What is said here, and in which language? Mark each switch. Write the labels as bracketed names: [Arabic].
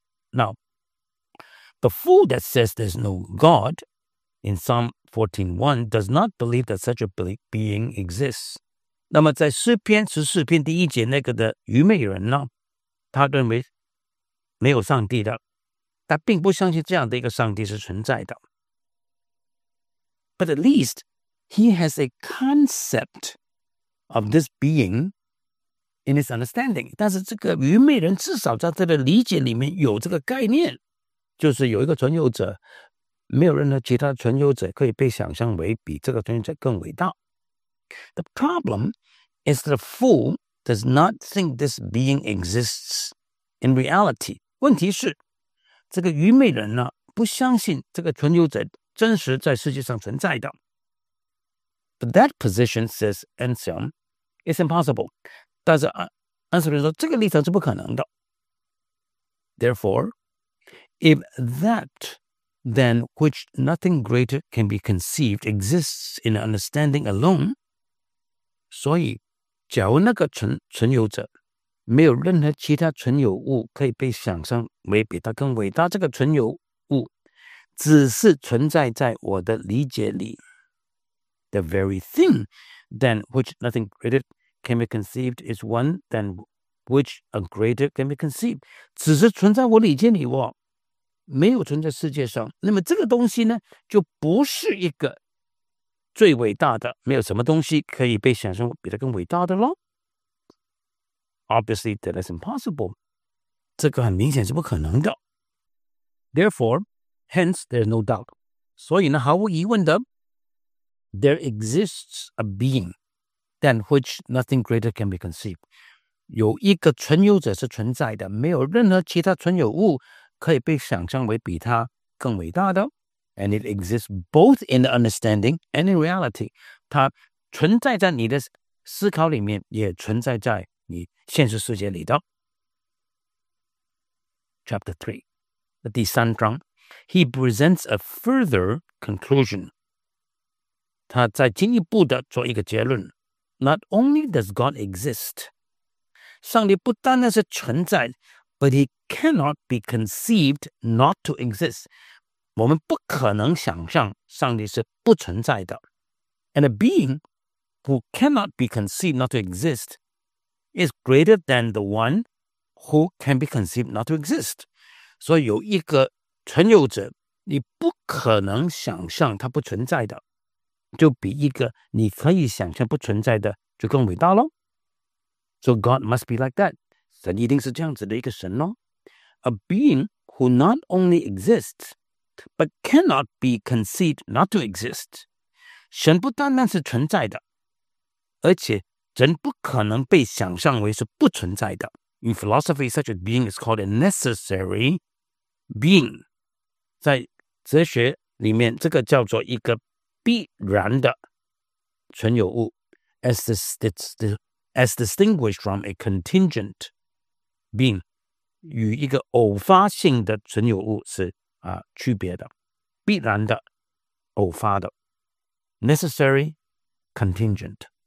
[English] Now the fool that says there's no God in Psalm 14:1 does not believe that such a being exists。 [Chinese] 那么在诗篇14篇第一节那个的愚昧人呢，他认为没有上帝的，他并不相信这样的一个上帝是存在的。 [English] But at leastHe has a concept of this being in his understanding。 [Chinese] 但是这个愚昧人至少在他的理解里面有这个概念，就是有一个存有者，没有任何其他存有者可以被想象为比这个存有者更伟大。 [English] The problem is that a fool does not think this being exists in reality。 [Chinese] 问题是这个愚昧人呢，不相信这个存有者真实在世界上存在的。 [English] But that position, says Anselm, is impossible。 [Chinese] 但是Anselm说这个立场是不可能的。 [English] Therefore, if that than which nothing greater can be conceived exists in understanding alone， [Chinese] 所以假如那个存有者没有任何其他存有物可以被想象为比他更伟大，这个存有物只是存在在我的理解里。 [English] The very thing than which nothing greater can be conceived is one than which a greater can be conceived， [Chinese] 只是存在我理解里哦，没有存在世界上。那么这个东西呢，就不是一个最伟大的，没有什么东西可以被想象比它更伟大的咯。 [English] Obviously that is impossible， [Chinese] 这个很明显是不可能的。 [English] Therefore hence there is no doubt， [Chinese] 所以呢毫无疑问的， [English] There exists a being than which nothing greater can be conceived。 [Chinese] 有一个存有者是存在的，没有任何其他存有物可以被想象为比它更伟大的。 [English] And it exists both in the understanding and in reality。 [Chinese] 它存在在你的思考里面，也存在在你现实世界里的。 [English] Chapter 3， [Chinese] 第三章， [English] He presents a further conclusion。 [Chinese] 他再进一步的做一个结论 [English] Not only does God exist, [Chinese] 上帝不单单是存在 [English] but he cannot be conceived not to exist. [Chinese] 我们不可能想象上帝是不存在的。 [English] And a being who cannot be conceived not to exist is greater than the one who can be conceived not to exist. [Chinese] 所以有一个存有者你不可能想象他不存在的。就比一个你可以想象不存在的就更伟大咯。 [English] So God must be like that. [Chinese] 神一定是这样子的一个神咯。 [English] A being who not only exists, but cannot be conceived not to exist. [Chinese] 神不单单是存在的。而且人不可能被想象为是不存在的。 [English] In philosophy, such a being is called a necessary being. [Chinese] 在哲学里面这个叫做一个必然的存有物 [English] as distinguished from a contingent being [Chinese] 与一个偶发性的存有物是、啊、区别的必然的偶发的 [English] necessary contingent